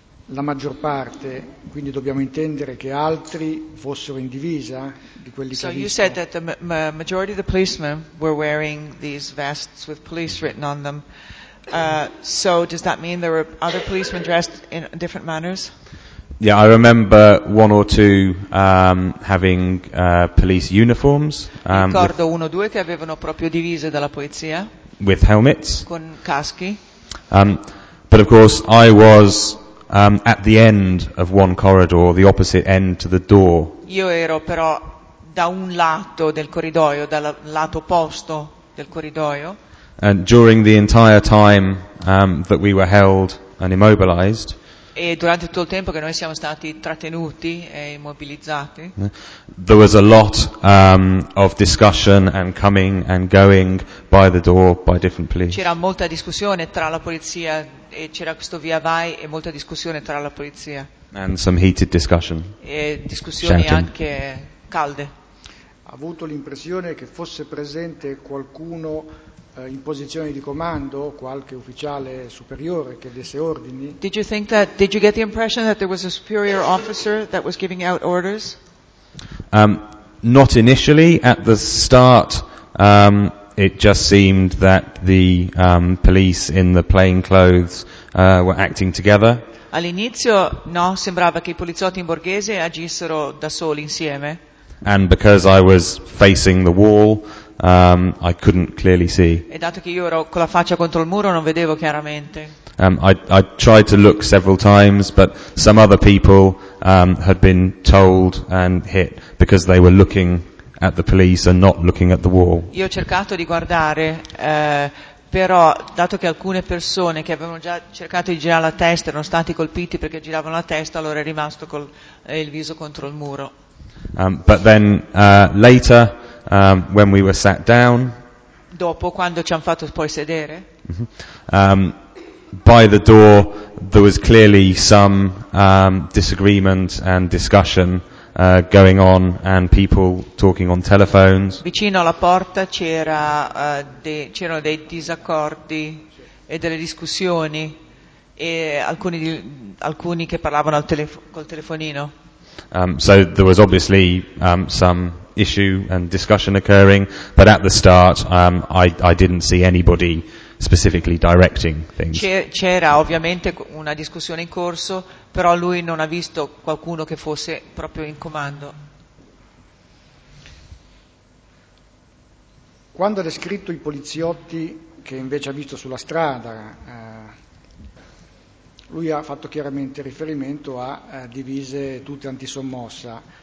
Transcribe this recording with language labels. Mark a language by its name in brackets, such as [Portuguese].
[Italian] La maggior parte, quindi dobbiamo intendere che altri fossero in divisa di quelli [English] so [Italian] che ha visto. [English] So you said that the majority of the policemen were wearing these vests with police written on them. So does that mean there were other policemen dressed in different manners? Yeah, I remember one or two having police uniforms. [Italian] Ricordo uno o due che avevano proprio divise dalla polizia. [English] With helmets. [Italian] Con caschi. [English] But of course, I was at the end of one corridor, the opposite end to the door. [Italian] Io ero però da un lato del corridoio, dal lato opposto del corridoio. [English] And during the entire time that we were held and immobilized. [Italian] E durante tutto il tempo che noi siamo stati trattenuti e immobilizzati. [English] There was a lot of discussion and coming and going by the door by different police. [Italian] C'era molta discussione tra la polizia e c'era questo via vai e molta discussione tra la polizia. [English] And some heated discussion. [Italian] E discussioni [English] shouting. [Italian] Anche calde. Ha avuto l'impressione che fosse presente qualcuno in posizione di comando, qualche ufficiale superiore che desse ordini? [English] Did you get the impression that there was a superior officer that was giving out orders? Not initially. At the start, it just seemed that the police in the plain clothes were acting together. [Italian] All'inizio, no, sembrava che i poliziotti in borghese agissero da soli insieme. [English] And because I was facing the wall, I couldn't clearly see. [Italian] E dato che io ero con la faccia contro il muro non vedevo chiaramente. [English] I tried to look several times, but some other people had been told and hit because they were looking at the police and not looking at the wall. [Italian] Io ho cercato di guardare però dato che alcune persone che avevano già cercato di girare la testa erano stati colpiti perché giravano la testa, allora è rimasto col il viso contro il muro. [English] But then later when we were sat down, [Italian] dopo quando ci hanno fatto poi sedere, [English] by the door there was clearly some disagreement and discussion going on and people talking on telephones. [Italian] Vicino alla porta c'era c'erano dei disaccordi e delle discussioni e alcuni che parlavano col telefonino. [English] So there was obviously some issue and discussion occurring, but at the start I didn't see anybody specifically directing things. [Italian] C'era ovviamente una discussione in corso, però lui non ha visto qualcuno che fosse proprio in comando. Quando ha descritto i poliziotti che invece ha visto sulla strada, lui ha fatto chiaramente riferimento a divise tutte antisommossa.